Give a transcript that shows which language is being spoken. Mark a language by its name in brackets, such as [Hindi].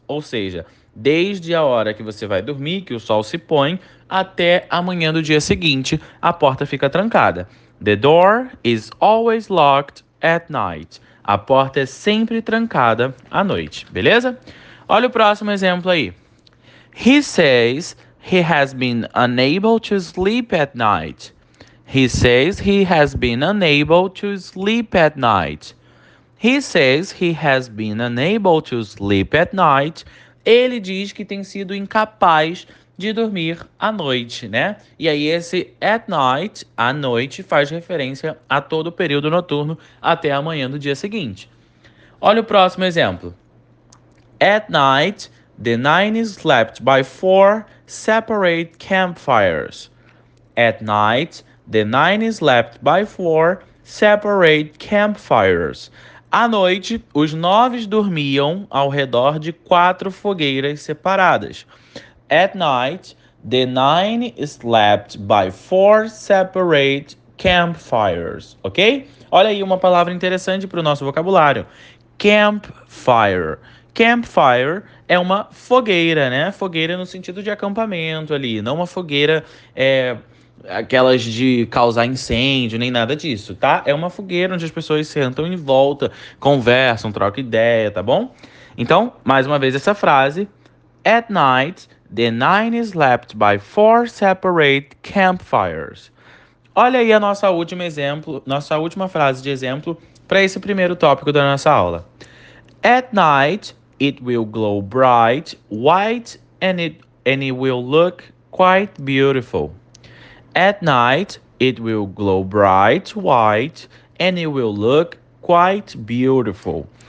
[Portuguese] Ou seja, desde a hora que você vai dormir, que o sol se põe, até amanhã do dia seguinte, a porta fica trancada. [English] The door is always locked at night. [Portuguese] A porta é sempre trancada à noite, beleza? Olha o próximo exemplo aí. [English] He says he has been unable to sleep at night. He says he has been unable to sleep at night. He says he has been unable to sleep at night. [Portuguese] Ele diz que tem sido incapaz de dormir à noite, né? E aí esse at night, à noite, faz referência a todo o período noturno até amanhã do dia seguinte. Olha o próximo exemplo. [English] At night, the nine slept by four separate campfires. At night, the nine slept by four separate campfires. [Portuguese] À noite, os nove dormiam ao redor de quatro fogueiras separadas. [English] At night, the nine slept by four separate campfires. [Portuguese] Ok? Olha aí uma palavra interessante para o nosso vocabulário: campfire. Campfire é uma fogueira, né? Fogueira no sentido de acampamento ali, não uma fogueira aquelas de causar incêndio, nem nada disso, tá? É uma fogueira onde as pessoas sentam em volta, conversam, trocam ideia, tá bom? Então, mais uma vez essa frase. [English] At night, the nine slept by four separate campfires. [Portuguese] Olha aí a nossa última exemplo, nossa última frase de exemplo para esse primeiro tópico da nossa aula. [English] At night, it will glow bright, white, and it will look quite beautiful. At night, it will glow bright, white, and it will look quite beautiful.